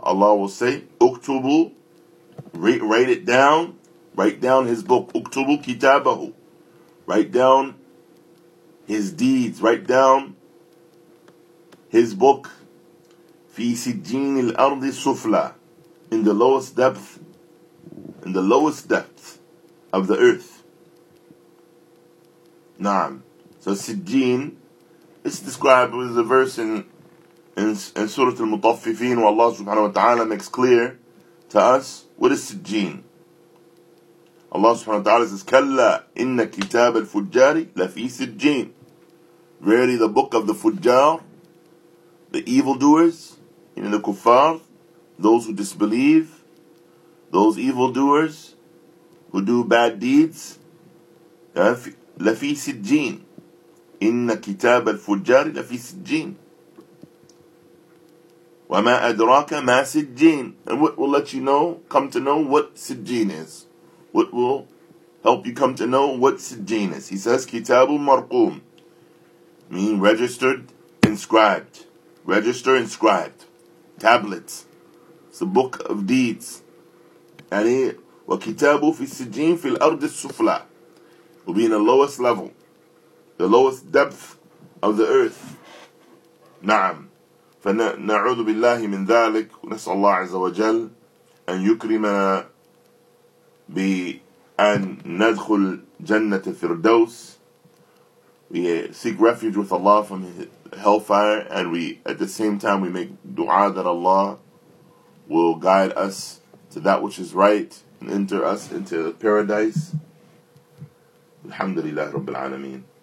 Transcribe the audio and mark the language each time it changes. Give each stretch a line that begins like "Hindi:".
English: Allah will say اكتبوا, write it down, write down his book,
Arabic: اكتبوا كتابه,
English: write down his deeds, write down his book,
Arabic: في سجين الأرض السفلى,
English: in the lowest depth, in the lowest depth of the earth.
Arabic: نعم.
English: So سجين, it's described with a verse in Surah Al-Mutaffifin, where Allah subhanahu wa ta'ala makes clear to us what is sijjin. Allah subhanahu wa ta'ala says,
Arabic: كَلَّا إِنَّ كِتَابَ الْفُجَّارِ لَفِي سِجِّينَ.
English: Verily the book of the fujjar, the evildoers, you know, the kuffar, those who disbelieve, those evildoers who do bad deeds,
Arabic: لَفِي سِجِّينَ. إِنَّ كِتَابَ الْفُجَّارِ لَفِي سِجِّينَ وَمَا أَدْرَاكَ مَا سِجِّينَ.
English: And what will let you know, come to know what سِجِّين is? What will help you come to know what سِجِّين is? He says,
Arabic: كِتَابُ مَرْقُومُ,
English: meaning registered, inscribed. Register, inscribed. Tablets. It's a book of deeds.
Arabic: يعني وَكِتَابُ فِي السِّجِّينَ فِي الْأَرْضِ السُّفْلَى,
English: will be in the lowest level, the lowest depth of the earth.
Arabic: نعم. فنعوذ بالله من ذلك ونسأل الله عز وجل أن يكرمنا بأن ندخل جنة الفردوس.
English: We seek refuge with Allah from hellfire, and we at the same time we make dua that Allah will guide us to that which is right and enter us into paradise.
Arabic: الحمد لله رب العالمين.